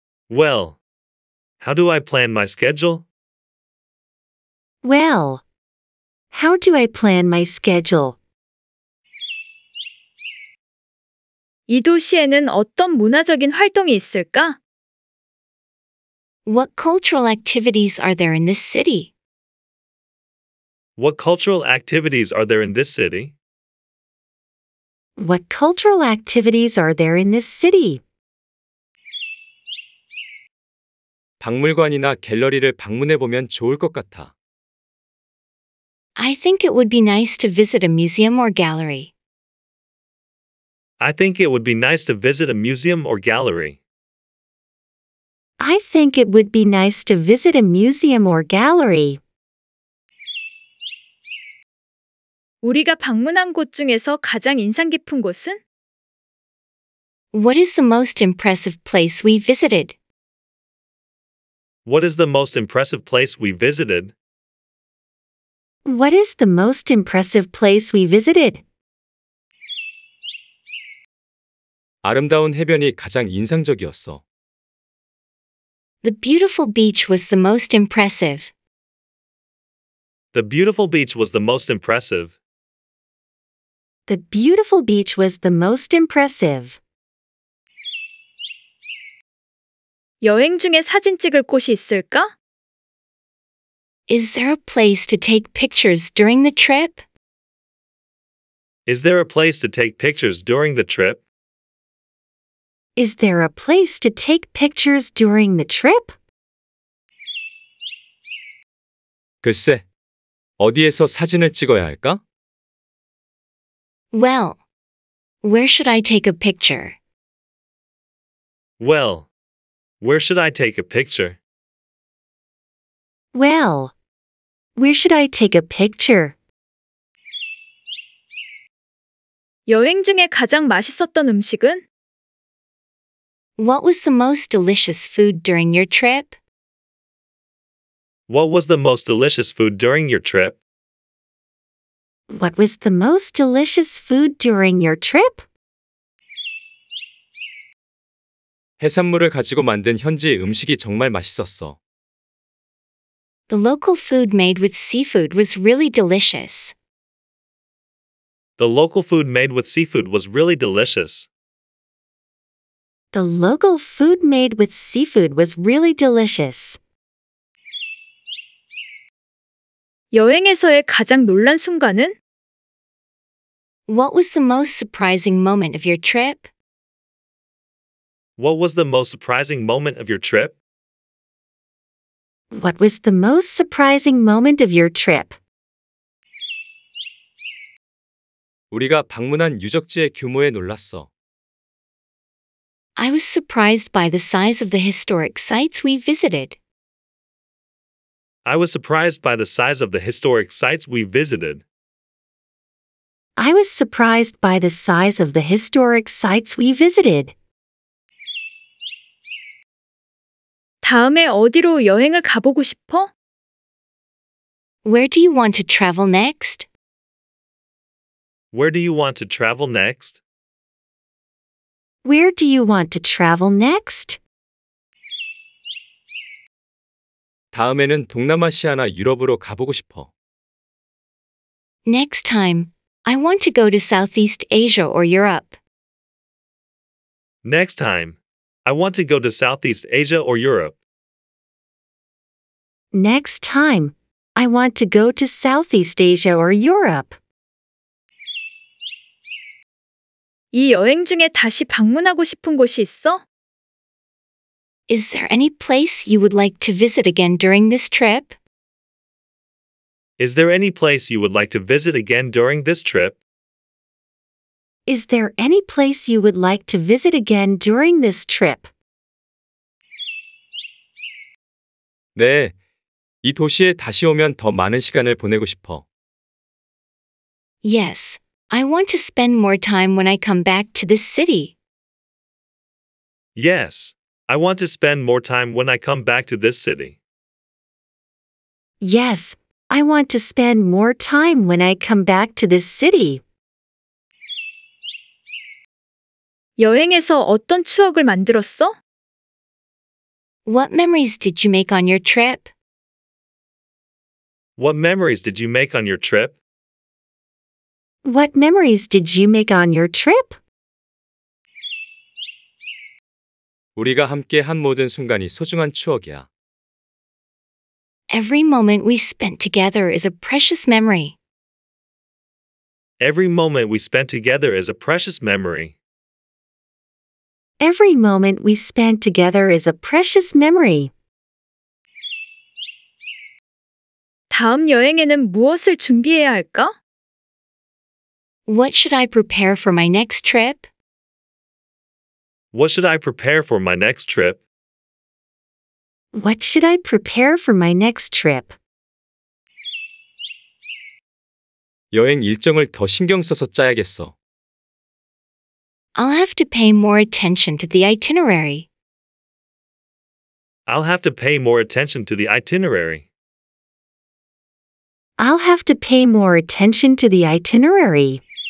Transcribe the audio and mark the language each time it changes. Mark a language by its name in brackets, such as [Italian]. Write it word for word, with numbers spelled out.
[English] Well, how do I plan my schedule? Well, how do I plan my schedule? [Korean] 이 도시에는 어떤 문화적인 활동이 있을까? [English] What cultural activities are there in this city? What cultural activities are there in this city? What cultural activities are there in this city? [Korean] 박물관이나 갤러리를 방문해보면 좋을 것 같아. [English] I think it would be nice to visit a museum or gallery. I think it would be nice to visit a museum or gallery. I think it would be nice to visit a museum or gallery. [Korean] 우리가 방문한 곳 중에서 가장 인상 깊은 곳은? [English] What is the most impressive place we visited? What is the most impressive place we visited? What is the most impressive place we visited? [Korean] 아름다운 해변이 가장 인상적이었어. [English] The beautiful beach was the most impressive. The beautiful beach was the most impressive. The beautiful beach was the most impressive. [Korean] 여행 중에 사진 찍을 곳이 있을까? [English] Is there a place to take pictures during the trip? Is there a place to take pictures during the trip? Is there a place to take pictures during the trip? [Korean] 글쎄, 어디에서 사진을 찍어야 할까? [English] Well, Where should I take a picture? Well, where should I take a picture? Well, where should I take a picture? [Korean] 여행 중에 가장 맛있었던 음식은? [English] What was the most delicious food during your trip? What was the most delicious food during your trip? What was the most delicious food during your trip? [Korean] 해산물을 가지고 만든 현지 음식이 정말 맛있었어. [English] The local food made with seafood was really delicious. The local food made with seafood was really delicious. The local food made with seafood was really delicious. [Korean] 여행에서의 가장 놀란 순간은? [English] What was the most surprising moment of your trip? What was the most surprising moment of your trip? What was the most surprising moment of your trip? [Korean] 우리가 방문한 유적지의 규모에 놀랐어. [English] I was surprised by the size of the historic sites we visited. I was surprised by the size of the historic sites we visited. I was surprised by the size of the historic sites we visited. [Korean] 다음에 어디로 여행을 가보고 싶어? [English] Where do you want to travel next? Where do you want to travel next? Where do you want to travel next? [Korean] 다음에는 동남아시아나 유럽으로 가보고 싶어. [English] Next time, I want to go to Southeast Asia or Europe. Next time, I want to go to Southeast Asia or Europe. Next time, I want to go to Southeast Asia or Europe. [Korean] 이 여행 중에 다시 방문하고 싶은 곳이 있어? [English] Is there any place you would like to visit again during this trip? Is there any place you would like to visit again during this trip? Is there any place you would like to visit again during this trip? [Korean] 네, 이 도시에 다시 오면 더 많은 시간을 보내고 싶어. [English] Yes, I want to spend more time when I come back to this city. Yes, I want to spend more time when I come back to this city. Yes, I want to spend more time when I come back to this city. [Korean] 여행에서 어떤 추억을 만들었어? [English] What memories did you make on your trip? What memories did you make on your trip? What memories did you make on your trip? [Korean] 우리가 함께 한 모든 순간이 소중한 추억이야. [English] Every moment we spent together is a precious memory. Every moment we spent together is a precious memory. Every moment we spent together is a precious memory. [Korean] 다음 여행에는 무엇을 준비해야 할까? [English] What should I prepare for my next trip? What should I prepare for my next trip? What should I prepare for my next trip? [Korean] 여행 일정을 더 신경 써서 짜야겠어. [English] I'll have to pay more attention to the itinerary. I'll have to pay more attention to the itinerary. I'll have to pay more attention to the itinerary.